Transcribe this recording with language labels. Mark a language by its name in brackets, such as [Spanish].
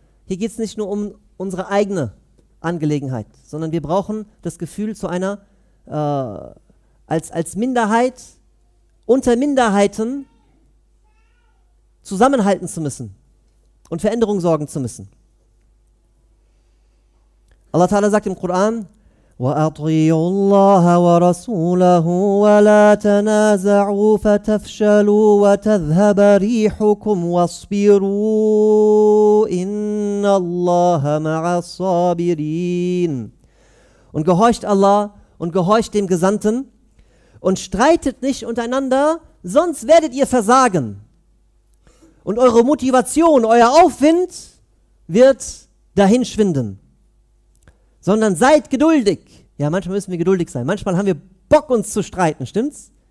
[German] Hier geht es nicht nur um unsere eigene Angelegenheit, sondern wir brauchen das Gefühl zu einer als Minderheit unter Minderheiten zusammenhalten zu müssen und Veränderung sorgen zu müssen. Allah Ta'ala sagt im Koran: [Arabic] وَأَطِيعُوا اللَّهَ وَرَسُولَهُ وَلَا تَنَازَعُوا فَتَفْشَلُوا وَتَذْهَبَ رِيحُكُمْ وَاصْبِرُوا إِنَّ اللَّهَ مَعَ الصَّابِرِينَ. [German] Und gehorcht Allah und gehorcht dem Gesandten und streitet nicht untereinander, sonst werdet ihr versagen. Und eure Motivation, euer Aufwind wird dahin schwinden. Sondern seid geduldig. Ja, manchmal müssen wir geduldig sein. Manchmal haben wir Bock, uns zu streiten, stimmt's?